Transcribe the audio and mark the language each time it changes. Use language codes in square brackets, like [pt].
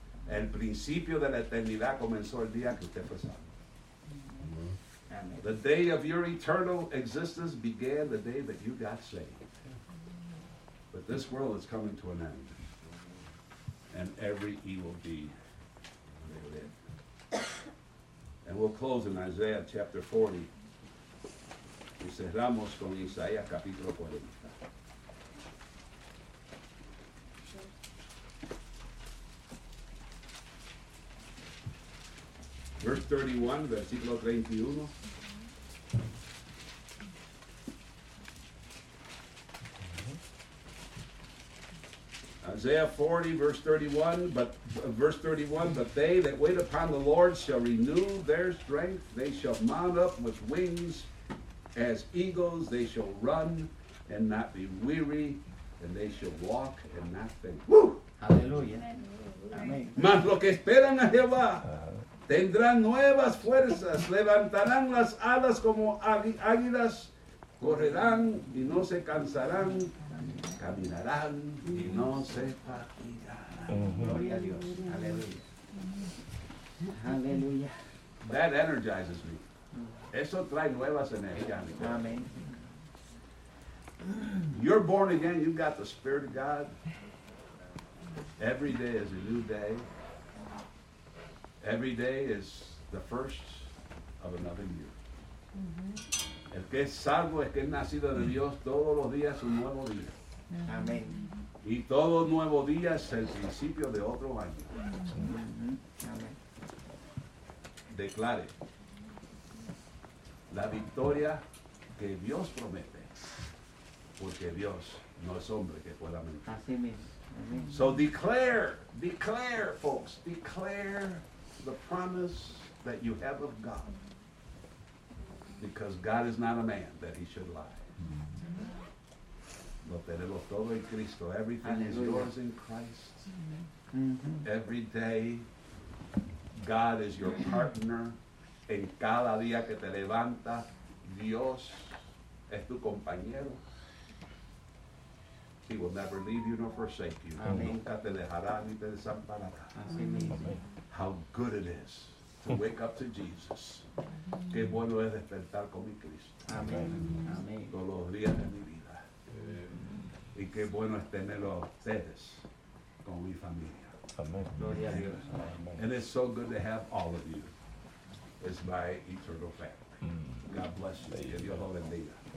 [es] El principio de la eternidad comenzó el día que usted fue salvo. [en] The day of your eternal existence began the day that you got saved. But this world is coming to an end. And every evil deed may live. And we'll close in Isaiah chapter 40. [es] Y cerramos con Isaías capítulo 40. [en] Isaiah 40. Verse 31, [es] versículo 31. [en] Mm-hmm. Isaiah 40, verse 31, but they that wait upon the Lord shall renew their strength. They shall mount up with wings as eagles. They shall run and not be weary, and they shall walk and not faint. Woo! [es] Aleluya. Amén. Mas lo que esperan a Jehová tendrán nuevas fuerzas, levantarán las alas como águilas, correrán y no se cansarán, caminarán y no se fatigarán. Gloria a Dios. Aleluya. Aleluya. [en] That energizes me. [es] Eso trae nuevas energías a mi corazón. Amén. [en] You're born again. You've got the Spirit of God. Every day is a new day. Every day is the first of another year. Mm-hmm. [es] El que es salvo es que es nacido de Dios. Todos los días un nuevo día. Amén. Y todo nuevo día es el principio de otro año. Amén. Declare la victoria que Dios promete. Porque Dios no es hombre que pueda mentir. Así mismo. [en] So declare, folks, declare the promise that you have of God. Because God is not a man that he should lie. [es] Lo tenemos todo en Cristo. [en] Everything is yours in Christ. Every day, God is your partner. [es] En cada día que te levanta, Dios es tu compañero. [en] He will never leave you nor forsake you. Amen. [es] Nunca te dejará ni te desamparará. Amen. [en] How good it is to wake up to Jesus. [es] Qué bueno es despertar con mi Cristo. Amen. Todos los días de mi vida. Y qué bueno es tenerlo a ustedes con mi familia. Amen. Gloria a Dios. [en] And it's so good to have all of you. It's my eternal family. God bless you. [es] Que Dios lo bendiga.